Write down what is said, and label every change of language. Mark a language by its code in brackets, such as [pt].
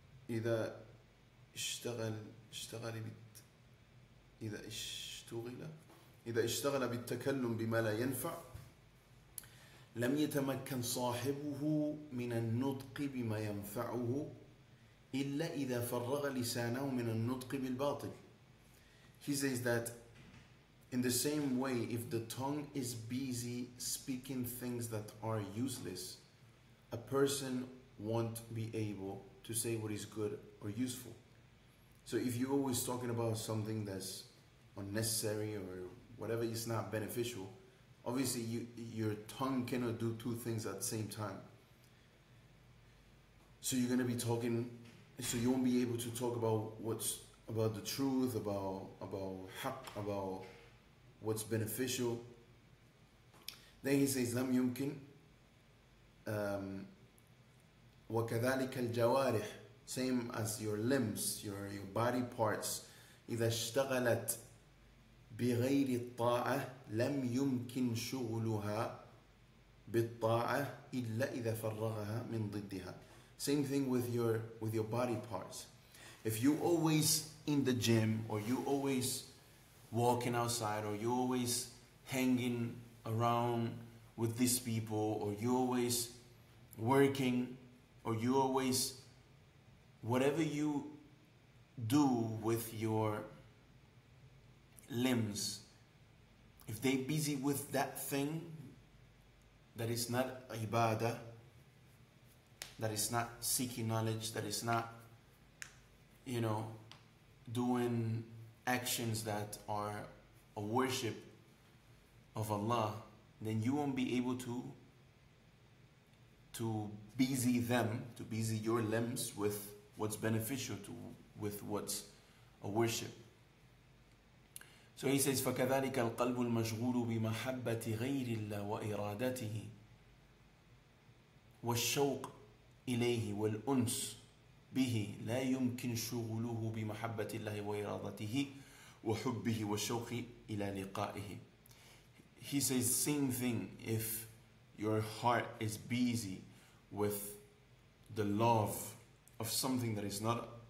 [ar] إذا اشتغل اشتغل بت إذا اشتغل إذا اشتغل بالتكلم بما لا ينفع لم يتمكن صاحبه من النطق بما ينفعه إلا إذا فرغ لسانه من النطق بالباطل. [en] He says that in the same way, if the tongue is busy speaking things that are useless, a person won't be able to say what is good or useful. So if you're always talking about something that's unnecessary or whatever is not beneficial, obviously your tongue cannot do two things at the same time. So you're gonna be talking, so you won't be able to talk about what's about the truth, about haqq, about what's beneficial. Then he says, [ar] لم يمكن وكذلك الجوارح, [en] same as your limbs, your body parts, [ar] إذا اشتغلت بغير الطاعة لم يمكن شغلها بالطاعة إلا إذا فرغها من ضدها. [en] Same thing with your body parts. If you always in the gym, or you always walking outside, or you always hanging around with these people, or you always working, or you always, whatever you do with your limbs, if they busy with that thing that is not ibadah, that is not seeking knowledge, that is not, you know, doing actions that are a worship of Allah, then you won't be able to busy your limbs with what's beneficial, to with what's a worship. So he says, [ar] فكذلك القلب المشغول بمحبة غير الله وإرادته والشوق إليه والأنس به لا يمكن شغله بمحبة الله وإرادته وحبه والشوق إلى لقائه. [en] He says same thing, if your heart is busy with the love of something that is not